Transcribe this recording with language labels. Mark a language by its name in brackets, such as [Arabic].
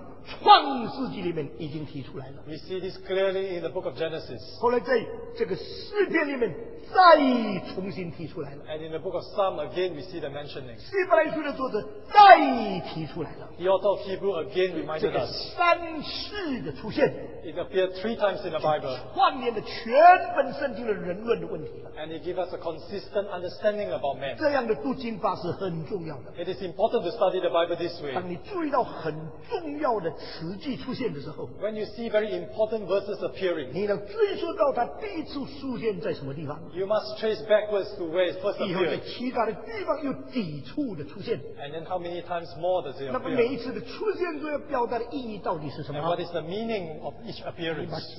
[Chinese] 这个事情在旧约最先的地方，创世纪里面已经提出来了。 [English] We see this clearly in the book of Genesis. [Chinese] 后来在这个诗篇里面再重新提出来了。 [English] And in the book of Psalm again we see the mentioning. [Chinese] 希伯来书的作者再提出来了。 [English] The author of Hebrew again reminded us. [Chinese] 这个三次的出现, [English] it appeared three times in the Bible. [Chinese] 换念了全本圣经的人论的问题了。 [English] And it gives us a consistent understanding about man. [Chinese] 这样的读经法是很重要的。 [English] It is important to study the Bible this way. [Chinese] 当你注意到很重要的词句出现的时候, [English] when you see very important verses appearing, [Chinese] 你能追溯到它第一次出现在什么地方, [English] you must trace backwards to where it first appeared. [Chinese] 以后在其他的地方又抵触的出现, [English] and then how many times more does it appear? [Chinese] 那么每一次的出现都要表达的意义到底是什么? [English] And what is the meaning of each appearance?